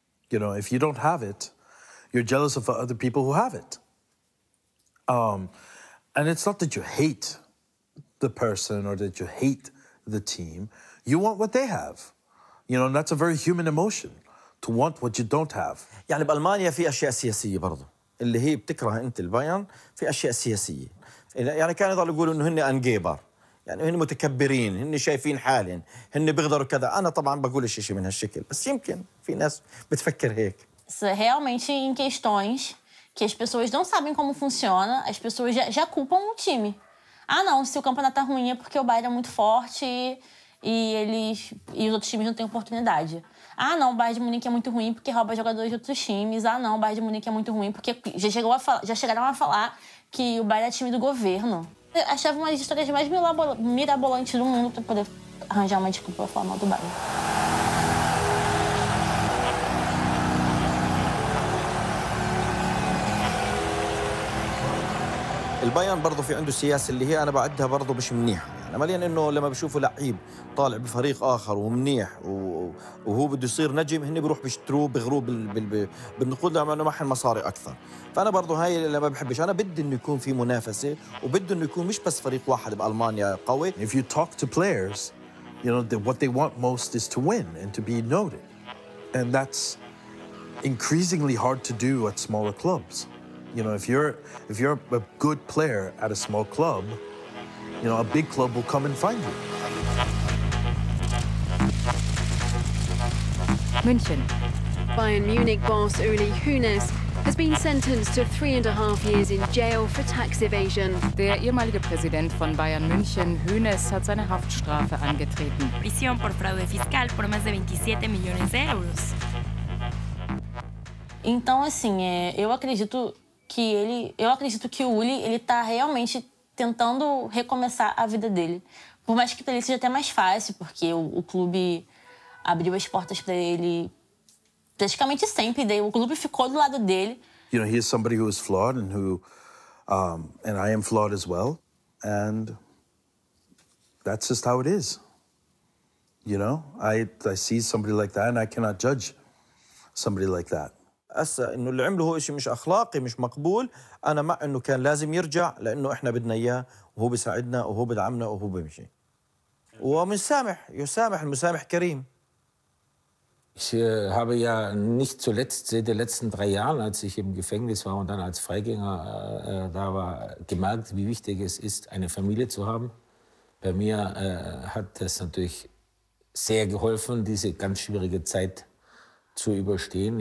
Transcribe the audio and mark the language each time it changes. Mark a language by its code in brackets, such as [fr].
[en] You know, if you don't have it, you're jealous of other people who have it. And it's not that you hate the person or that you hate the team. You want what they have. You know, and that's a very human emotion, to want what you don't have. [ar] يعني بألمانيا في أشياء سياسية برضو اللي هي بتكره أنت البايرن في أشياء سياسية. يعني كانوا يضلوا يقولوا إنه هن أنجيبر. يعني هن متكبرين، هن شايفين حالهم، هن بيقدروا كذا، انا طبعا بقول شيء من هالشكل، بس يمكن في ناس بتفكر هيك. [pt] Isso é realmente em questões que as pessoas não sabem como funciona, as pessoas já culpam o time. Ah, não, se o campeonato tá ruim é porque o Bayern é muito forte e os outros times não têm oportunidade. Ah, não, o Bayern de Munique é muito ruim porque rouba jogadores de outros times. Ah, não, o Bayern de Munique é muito ruim porque já chegaram a falar que o Bayern é time do governo. Eu achava uma das histórias mais mirabolantes do mundo para poder arranjar uma desculpa para falar mal do Bayern. [ar] البايرن برضه في عنده سياسه اللي هي انا بعدها برضه مش منيحه، يعني مالياً انه لما بشوفوا لعيب طالع بفريق اخر ومنيح وهو بده يصير نجم هن بروح بيشتروه بغروب بالنقود لما انه معهم مصاري اكثر، فانا برضه هاي اللي ما بحبش، انا بدي انه يكون في منافسه وبده انه يكون مش بس فريق واحد بالمانيا قوي. [en] If you talk to players, you know, what they want most is to win and to be noted. And that's increasingly hard to do at smaller clubs. You know, if you're a good player at a small club, you know, a big club will come and find you. [de] München. [en] Bayern Munich boss Uli Hoeness has been sentenced to 3.5 years in jail for tax evasion. [de] Der ehemalige Präsident von Bayern München, Hoeness, hat seine Haftstrafe angetreten. [es] Prisión por fraude fiscal por más de 27 millones de euros. [pt] Então, assim, eu acredito que o Uli está realmente tentando recomeçar a vida dele. Por mais que para ele seja até mais fácil, porque o clube abriu as portas para ele praticamente sempre. Daí o clube ficou do lado dele. [en] You know, he is somebody who is flawed and who, and I am flawed as well. And that's just how it is. You know, I see somebody like that and I cannot judge somebody like that. [ar] أسا إنه اللي عمله هو إشي مش أخلاقي مش مقبول أنا مع إنه كان لازم يرجع لأنه إحنا بدنا إياه وهو بيساعدنا وهو بدعمنا وهو بيمشي ومنسامح يسامح المسامح كريم. [de] Ich habe ja nicht zuletzt in den letzten drei Jahren, als ich im Gefängnis war und dann als Freigänger da war, gemerkt, wie wichtig es ist, eine Familie zu haben. Bei mir hat das natürlich sehr geholfen, diese ganz schwierige Zeit zu überstehen.